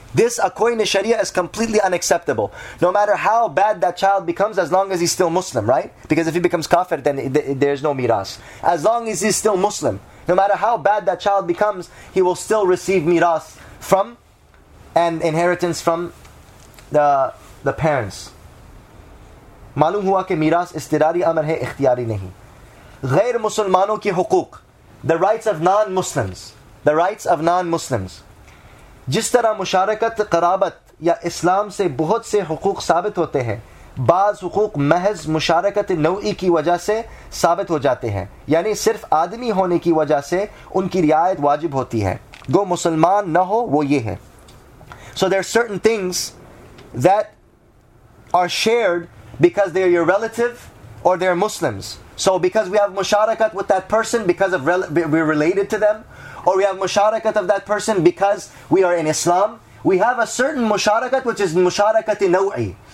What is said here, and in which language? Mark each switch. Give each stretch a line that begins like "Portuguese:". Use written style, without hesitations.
English: This, according to Sharia, is completely unacceptable. No matter how bad that child becomes, as long as he's still Muslim, right? Because if he becomes kafir, then there's no miras. As long as he's still Muslim, no matter how bad that child becomes, he will still receive miras from, and inheritance from the parents.
Urdu: معلوم ہوا کہ میراث استراری امر ہے, اختیاری نہیں. غیر مسلمانوں کی حقوق,
English: the rights of non-Muslims, the rights of non-Muslims.
Urdu: جس طرح مشارکت, قرابت یا اسلام سے بہت سے حقوق ثابت ہوتے ہیں, بعض حقوق محض مشارکت نوعی کی وجہ سے ثابت ہو جاتے ہیں, یعنی صرف آدمی ہونے کی وجہ سے ان کی رعایت واجب ہوتی ہے, گو مسلمان نہ ہو وہ یہ ہے.
English: So there are certain things that are shared because they're your relative or they're Muslims. So because we have musharakat with that person because of we're related to them, or we have musharakat of that person because we are in Islam, we have a certain musharakat which is musharakat naw'i.